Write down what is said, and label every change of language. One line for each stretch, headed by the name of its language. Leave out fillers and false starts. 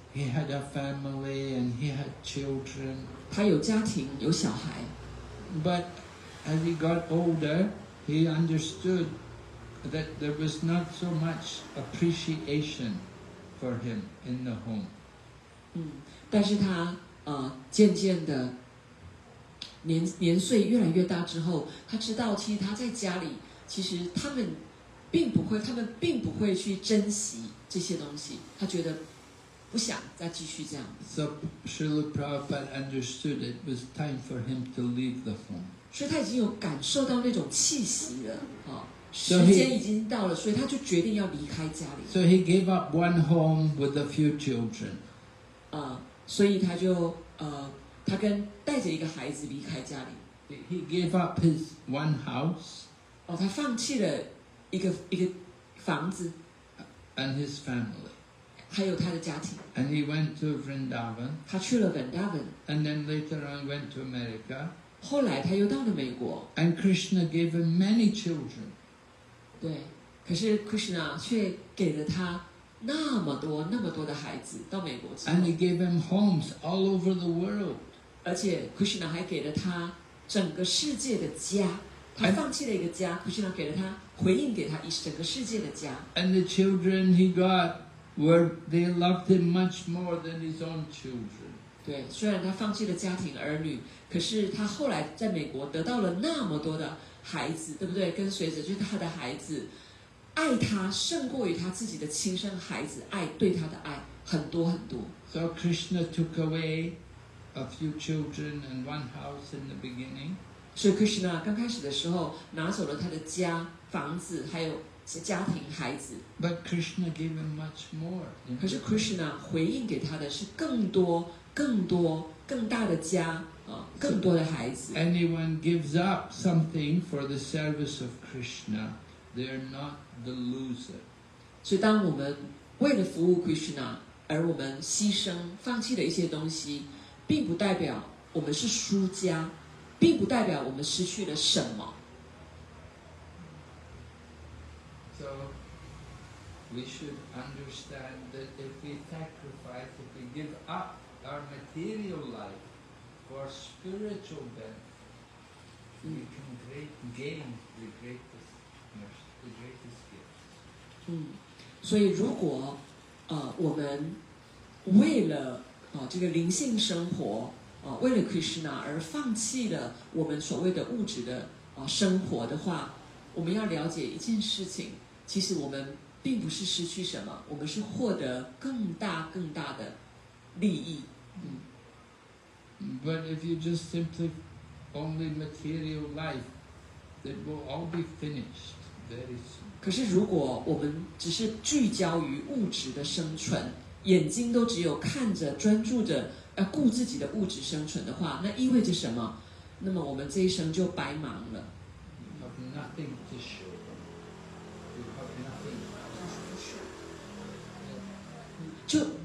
English: He had a family and he had children.
Chinese: 他有家庭，有小孩。
English: But as he got older, he understood. That there was not so much appreciation for him in the home.
Chinese: 但是他渐渐的年岁越来越大之后，他知道其实他在家里，其实他们并不会去珍惜这些东西。他觉得不想再继续这样。
English: So Srila Prabhupada understood it was time for him to leave the home.
Chinese: 所以他已经有感受到那种气息了，时间已经到了，所以他就决定要离开家里。
English: So he gave up one home with a few children.
Chinese: 所以他就他跟带着一个孩子离开家里。
English: He gave up his one house.
Chinese: 他放弃了一个房子。
English: And his family.
Chinese: 还有他的家庭。
English: And he went to Vrindavan.
Chinese: 他去了 Vrindavan.
English: And then later on went to America.
Chinese: 后来他又到了美国。
English: And Krishna gave him many children.
Chinese: 对，可是 Krishna 却给了他那么多那么多的孩子到美国之后。
English: And he gave him homes all over the world.
Chinese: 而且 Krishna 还给了他整个世界的家，他放弃了一个家 ，Krishna 给了他回应给他一整个世界的家。
English: And the children he got were they loved him much more than his own children.
Chinese: 对，虽然他放弃了家庭儿女，可是他后来在美国得到了那么多的。孩子对不对？跟随着就是他的孩子，爱他胜过于他自己的亲生孩子爱对他的爱很多很多。
English: So Krishna took away a few children and one house in the beginning.
Chinese: 所以 Krishna 刚开始的时候拿走了他的家、房子还有家庭、孩子。
English: But Krishna gave him much more.
Chinese: 可是 Krishna 回应给他的是更多、更多、更大的家。更多的孩子。
English: Anyone gives up something for the service of Krishna, they're not the loser.
Chinese: 所以当我们为了服务 Krishna 而我们牺牲放弃了一些东西，并不代表我们是输家，并不代表我们失去了什么。
English: So we should understand that if we sacrifice, if we give up our material life. For spiritual benefit, we can gain the greatest gift.
Chinese: 所以如果我们为了这个灵性生活为了 Krishna 而放弃了我们所谓的物质的生活的话，我们要了解一件事情，其实我们并不是失去什么，我们是获得更大更大的利益。
English: But if you just simply only material life, it will all be finished very soon.
Chinese: 可是如果我们只是聚焦于物质的生存，眼睛都只有看着、专注着要顾自己的物质生存的话，那意味着什么？那么我们这一生就白忙了。
English: You have nothing to show. You have nothing.